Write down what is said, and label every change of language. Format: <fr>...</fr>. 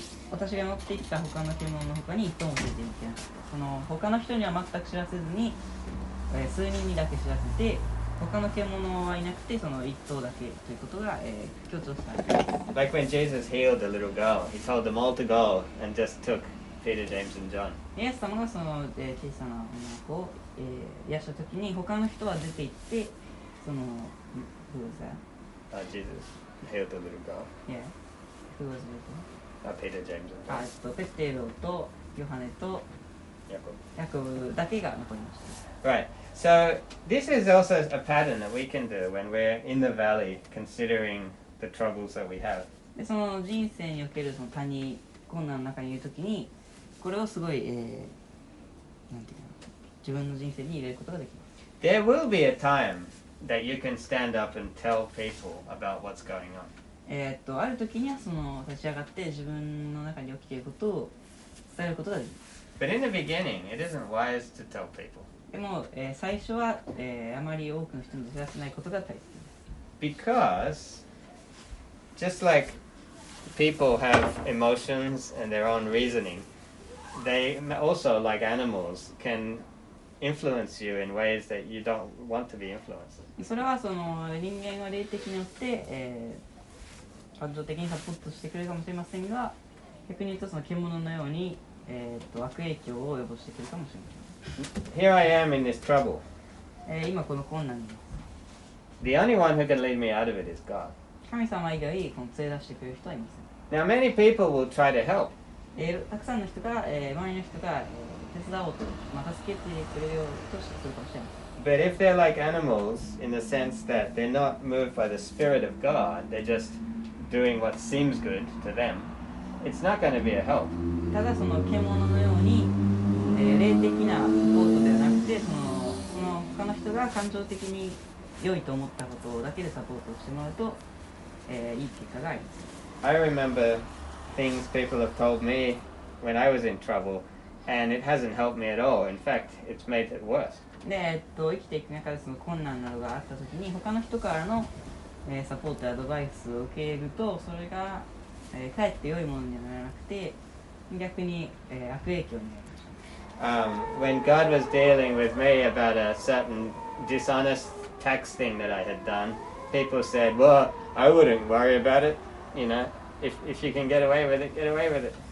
<ja>私が乗ってきた他の獣の他に一頭も連れていけなかった。その他の人には全く知らせずに、数人にだけ知らせて、他の獣はいなくてその一頭だけということが、強調されています。</ja> <en>Like when Jesus healed a little girl, he told them all to go and just took. Peter, James, and John.</en> <ja>イエス様がその、小さな女の子を、癒したときに他の人は出て行ってその</ja> <en>Who was that? Jesus healed the little girl. Yeah. Who was it? Peter, James, and John.</en> <ja>ペテロとヨハネとヤコブだけが残りました。</ja> <en>Right. So this is also a pattern that we can do when we're in the valley considering the troubles that we have.</en> <ja>でその人生におけるその谷困難の中にいるときにこれをすごい、なんていうか自分の人生に入れることができます。</ja> <en>There will be a time that you can stand up and tell people about what's going on.</en> <ja>ある時にはその立ち上がって自分の中に起きていることを伝えることができます。</ja> <en>But in the beginning, it isn't wise to tell people.</en> <ja>でも、最初は、あまり多くの人に知らせないことが大切です。</ja> <en>B because just like people have emotions and their own reasoning, they also, like animals, can influence you in ways that you don't want to be influenced.</en> <ja>それはその人間の霊的によって、感情的にサポートしてくれるかもしれませんが、逆に言うとその獣のように、悪影響を及ぼしてくるかもしれません。</ja> <en>Here I am in this trouble.</en> <ja>今この困難です。</ja> <en>The only one who can lead me out of it is God.</en> <ja>神様以外この連れ出してくれる人はいません。</ja> <en>Now many people will try to help.</en> <ja>たくさんの人が、周りの人が、手伝おうと、まあ、助けてくれようとしてくるかもしれません。</ja> <en>But if they're like animals in the sense that they're not moved by the Spirit of God, they're just doing what seems good to them, it's not going to be a help.</en> <ja>ただその獣のように、霊的なことではなくて、その他の人が感情的に良いと思ったことだけでサポートしてもらうと、いい結果があります。</ja> <en>I remember things people have told me when I was in trouble, and it hasn't helped me at all. In fact, it's made it worse.</en> <ja>で生きていく中でその困難などがあったときに他の人からの、サポートやアドバイスを受けるとそれが、かえって良いものにならなくて逆に、悪影響になりました。</ja> <en>When God was dealing with me about a certain dishonest tax thing that I had done, people said, well, I wouldn't worry about it, you know, if you can get away with it, get away with it.</en>